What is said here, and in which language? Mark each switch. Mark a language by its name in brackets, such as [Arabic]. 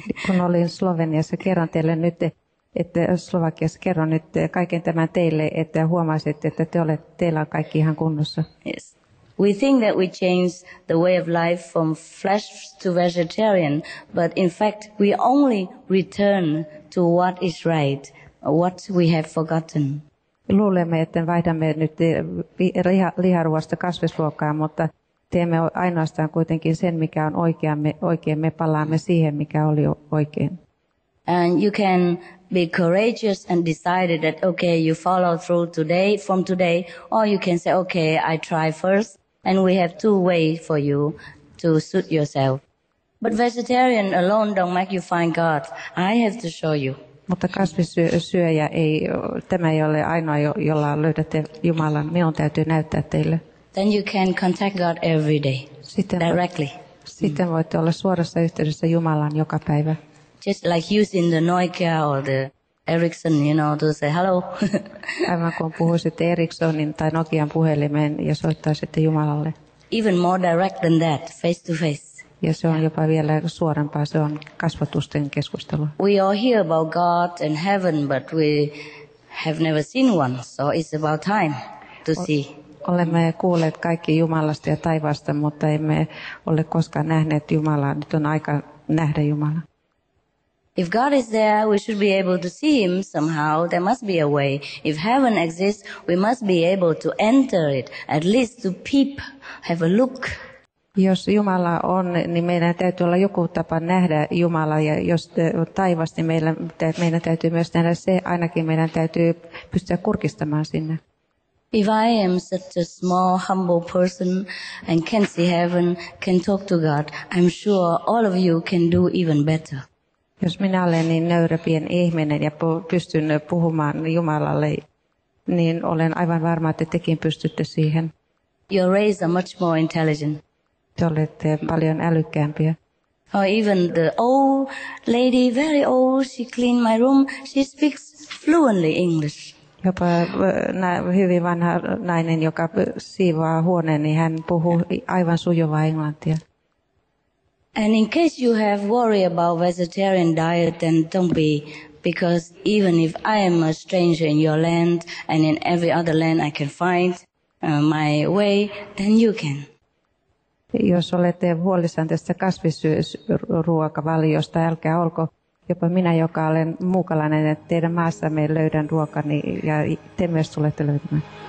[Finnish] Kun olin Sloveniassa, kerron teille nyt, että Slovakiassa, kerron nyt kaiken tämän teille, että huomasitte, että teillä on kaikki ihan kunnossa. [English] Yes. We think that we change the way of life from flesh to vegetarian, but in fact we only return to what is right, what we have forgotten. [Finnish] Luulemme, että vaihdamme nyt liharuoasta kasvisruokaan, mutta teemme ainoastaan kuitenkin sen, mikä on oikein. Me palaamme siihen, mikä oli oikein. [English] And you can be courageous and decide that okay, you follow through today, from today, or you can say okay, I try first. And we have two ways for you to suit yourself. But vegetarian alone don't make you find God. I have to show you. [Finnish] Mutta kasvissyöjä ei, tämä ei ole ainoa, jolla löydätte Jumalan. Minun täytyy näyttää teille. [English] Then you can contact God every day, directly. [Finnish] Sitten voitte olla suorassa yhteydessä Jumalan joka päivä. [English] Just like using the Nokia or the Ericsson, you know, to say hello. [Finnish] Aivan kuin puhuisitte Ericssonin tai Nokian puhelimeen ja soittaisitte Jumalalle. [English] Even more direct than that, face to face. [Finnish] Ja se on jopa vielä suorempaa, se on kasvotusten keskustelu. [English] We all hear about God and heaven, but we have never seen one, so it's about time to see. [Finnish] Olemme kuulleet kaikki Jumalasta ja taivaasta, mutta emme ole koskaan nähneet Jumalaa. Nyt on aika nähdä Jumala. [English] If God is there, we should be able to see him somehow. There must be a way. If heaven exists, we must be able to enter it, at least to peep, have a look. [Finnish] Jos Jumala on, niin meidän täytyy olla joku tapa nähdä Jumala, ja jos taivas, niin meidän täytyy myös nähdä se, ainakin meidän täytyy pystyä kurkistamaan sinne. [English] If I am such a small, humble person and can see heaven, can talk to God, I'm sure all of you can do even better. [Finnish] Jos minä olen niin nöyrä pieni ihminen ja pystyn puhumaan Jumalalle, niin olen aivan varma, että tekin pystytte siihen. [English] Your race are much more intelligent. [Finnish] Te olette paljon älykkäämpiä. [English] Or even the old lady, very old, she cleaned my room, she speaks fluently English. [Finnish] Jopa hyvin vanha nainen, joka siivoaa huoneen, niin hän puhuu aivan sujuvaa englantia. [English] And in case you have worry about vegetarian diet, then don't be. Because even if I am a stranger in your land, and in every other land I can find my way, then you can. [Finnish] Jos olette huolissaan tästä kasvisruokavaliosta, älkää olko. Jopa minä, joka olen muukalainen, että teidän maassamme löydän ruokani ja te myös tulette löytämään.